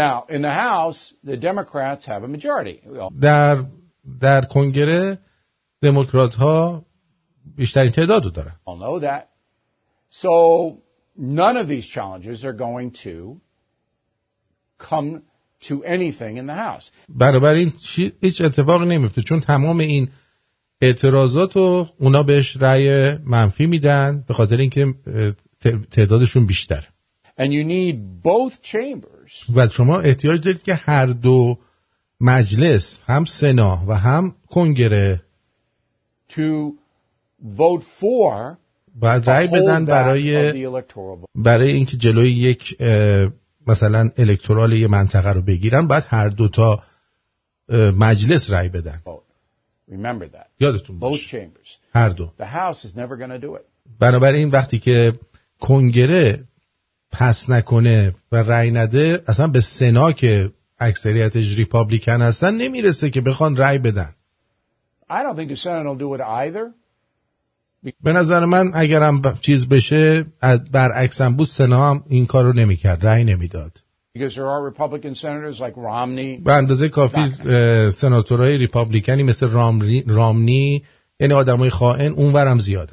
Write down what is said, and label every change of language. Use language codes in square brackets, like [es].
[en] Now in the house, the Democrats have a majority. [fa] در کنگره دموکرات ها بیشترین تعداد رو دارن. [en] All know that. So none of these challenges are going to come to anything in the house. [fa] برابر این هیچ اتفاق نمیفته، چون تمام این اعتراضات رو اونا بهش رأی منفی میدن به خاطر اینکه تعدادشون بیشتر. [en] And you need both chambers. [fa] و شما احتیاج دارید که هر دو مجلس، هم سنا و هم کنگره، [en] to vote for [fa] بعد رأی بدن برای اینکه جلوی یک مثلا الکترال یه منطقه رو بگیرن، بعد هر دو تا مجلس رأی بدن. [en] Remember that. [fa] یادتون باشه. [en] Both chambers. [fa] هر دو. [en] The house is never going to do it. [fa] بنابراین وقتی که کنگره پس نکنه و رأی نده، اصلا به سنا که اکثریتش ریپابلیکن هستن نمیرسه که بخوان رأی بدن. [en] I don't think the Senate will do it either. [fa] به نظر من اگرم چیز بشه برعکسم بود، سنا هم این کار رو نمیکرد، رأی نمیداد. [en] Because there are Republican senators like Romney. [fa] به اندازه کافی سناتورهای ریپابلیکنی مثل رامنی، یعنی آدم های خائن، اونور هم زیاده.